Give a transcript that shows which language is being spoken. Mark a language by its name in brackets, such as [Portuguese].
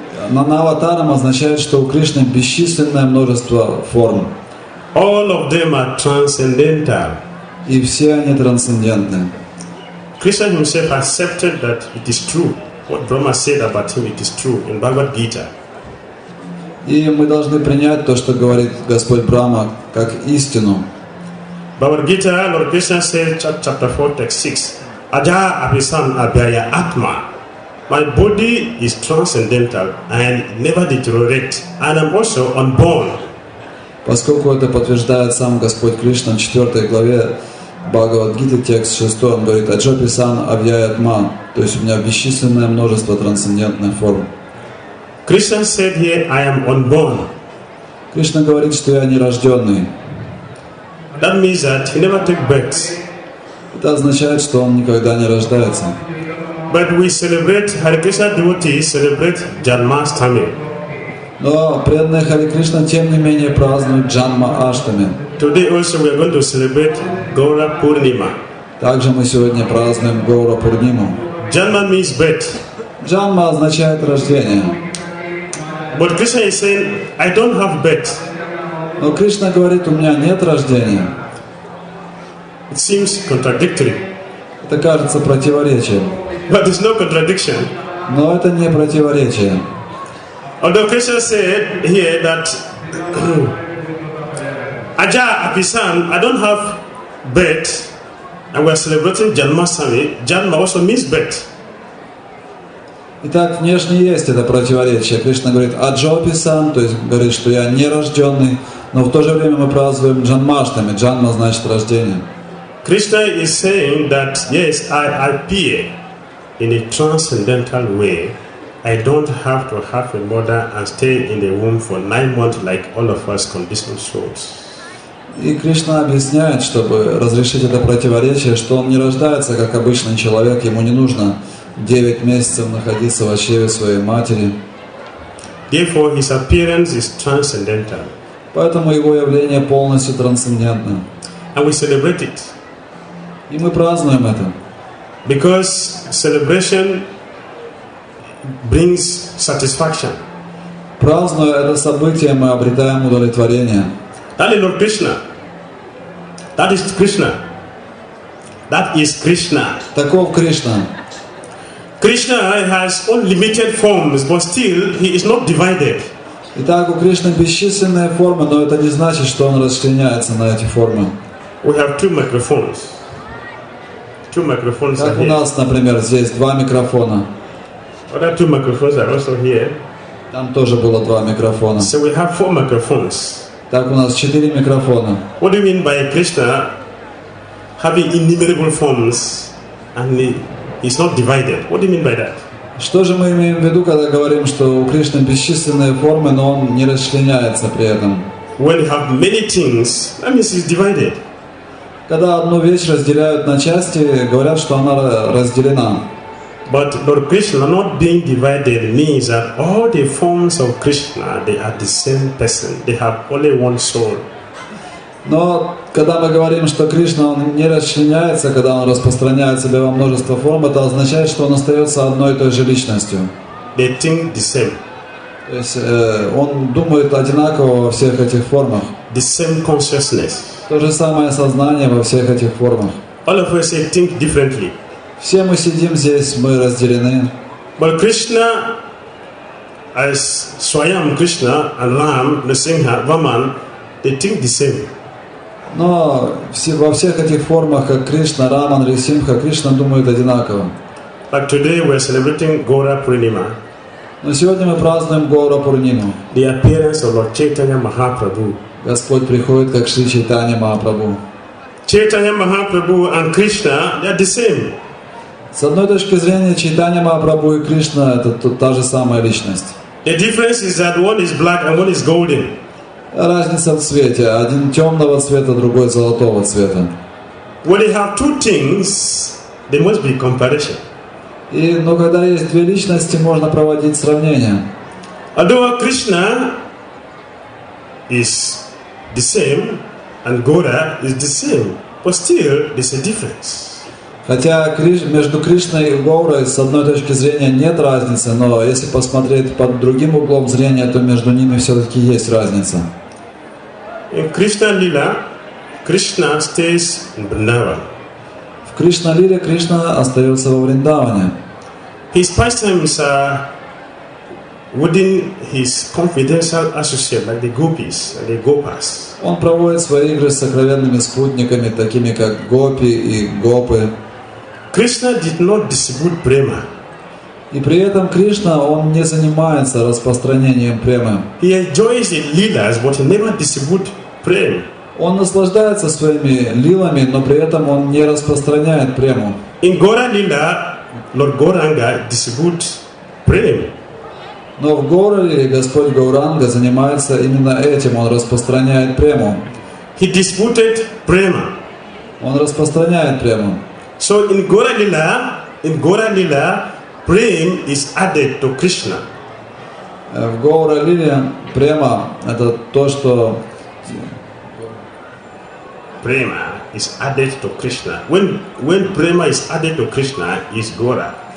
[Russian] Нанаватарам означает, что у Кришны бесчисленное множество форм. [English] All of them are transcendental. [Russian] И все они трансцендентны. [English] Krishna himself accepted that it is true. What Brahma said about him, it is true in Bhagavad Gita. [Russian] И мы должны принять то, что говорит Господь Брама, как истину. [English] Bhagavad Gita, Lord Krishna said, chapter 4, text 6, Aja abhisam abhaya atma. My body is transcendental and never deteriorates, and I'm also unborn. [Russian] Поскольку это подтверждает сам Господь Кришна в 4 главе Бхагавад Гиты, текст 6, он говорит, Аджаписан Авьяятма, то есть у меня бесчисленное множество трансцендентных форм. [English] Krishna said here, I am unborn. [Russian] Кришна говорит, что я нерожденный. [English] That means that he never takes birth. [Russian] Это означает, что он никогда не рождается. [English] But we celebrate Hare Krishna devotees celebrate Janmashtami. [Russian] Но преданные Хари Кришна тем не менее празднуют Джанма Аштами. [English] Today also we are going to celebrate Gaura Purnima. [Russian] Также мы сегодня празднуем Гаура Пурниму. [English] Janma means birth. [Russian] Джанма означает рождение. [English] But Krishna is saying, I don't have birth. [Russian] Но Кришна говорит, у меня нет рождения. [English] It seems contradictory. [Russian] Это кажется противоречием. [English] But it's no contradiction. [Russian] Но это не противоречие. [English] Although Krishna said here that Aja Apisan, I don't have birth, and we are celebrating Janmasthami. Janma also means birth. [Russian] Итак, внешне есть это противоречие. Кришна говорит Аджо Аписан, то есть говорит, что я нерожденный, но в то же время мы празднуем Джанмаштами. Джанма значит рождение. [English] Krishna is saying that yes, I appear. In a transcendental way, I don't have to have a mother and stay in the womb for 9 months like all of us conditioned souls. [Russian] И Кришна объясняет, чтобы разрешить это противоречие, что он не рождается как обычный человек, ему не нужно 9 месяцев находиться в чреве своей матери. [English] Therefore, his appearance is transcendental. [Russian] Поэтому его явление полностью трансцендентно. [English] And we celebrate it. [Russian] И мы празднуем это. [English] Because celebration brings satisfaction. [Russian] Празднуя это событие, мы обретаем удовлетворение. [English] That is Lord Krishna. That is Krishna. That is Krishna. [Russian] Таков Кришна. [English] Krishna has unlimited forms, but still he is not divided. [Russian] Итак, у Кришны бесчисленные формы, но это не значит, что он расчленяется на эти формы. [English] We have two microphones. Two microphones [Russian] как [English] are [Russian] у нас, например, здесь два микрофона. [English] Other two microphones are also here. [Russian] Там тоже было два микрофона. [English] So we have four microphones. [Russian] Так у нас 4 микрофона. [English] What do you mean by Krishna having innumerable forms and he's not divided? What do you mean by that? [Russian] Что же мы имеем в виду, когда говорим, что у Кришны бесчисленные формы, но он не расчленяется при этом? [English] When you have many things, that means he's divided. [Russian] Когда одну вещь разделяют на части, говорят, что она разделена. [English] But Lord Krishna not being divided means that all the forms of Krishna they are the same person. They have only one soul. [Russian] Но когда мы говорим, что Кришна он не расчленяется, когда он распространяет себя во множество форм, это означает, что он остается одной и той же личностью. [English] They think the same. [Russian] То есть он думает одинаково во всех этих формах. [English] The same consciousness. [Russian] То же самое сознание во всех этих формах. [English] All of us think differently. [Russian] Все мы сидим здесь, мы разделены. [English] But Krishna, as Swayam Krishna and Ram, Nrisimha, Vaman, they think the same. [Russian] Но во всех этих формах, как Кришна, Рама, Нрисимха, Кришна думают одинаково. [English] But today we are celebrating Gaura Purnima. [Russian] Но сегодня мы празднуем Гаура Пурниму. [English] The appearance of Lord Chaitanya Mahaprabhu. [Russian] Господь приходит как Шри Чайтанья Махапрабху. [English] Чайтанья Махапрабху and Krishna, they are the same. [Russian] С одной точки зрения, Чайтанья Махапрабху и Кришна это та же самая личность. [English] The difference is that one is black and one is golden. [Russian] Разница в свете. Один темного цвета, другой золотого цвета. [English] When they have two things, there must be comparison. [Russian] Но когда есть две личности, можно проводить сравнение. [English] Although Krishna is the same and Gaura is the same. But still, there's a difference. [Russian] Хотя между Кришной и Гоурой с одной точки зрения нет разницы, но если посмотреть под другим углом зрения, то между ними все-таки есть разница. [English] In Krishna Lila, Krishna stays in Vrindavan. [Russian] В Кришна Лиле Кришна остается во Вриндаване. [English] His pastimes are within his confidential associate, like the gopis, the gopas. [Russian] Он проводит свои игры с сокровенными спутниками, такими как гопи и гопы. [English] Krishna did not distribute prema. [Russian] И при этом Кришна, он не занимается распространением премы. [English] He enjoys the lilas, but he never distributes prema. [Russian] Он наслаждается своими лилами, но при этом он не распространяет прему. [English] In Gaura Lila, Lord Gauranga distributes prema. [Russian] Но в Гаура Лиле Господь Гауранга занимается именно этим, он распространяет прему. [English] He distributed prema. [Russian] Он распространяет прему. [English] So in Gaura Lila, prem is added to Krishna. [Russian] В Гаура Лиле према это то, что [English] prema is added to Krishna. When prema is added to Krishna, is Gaura.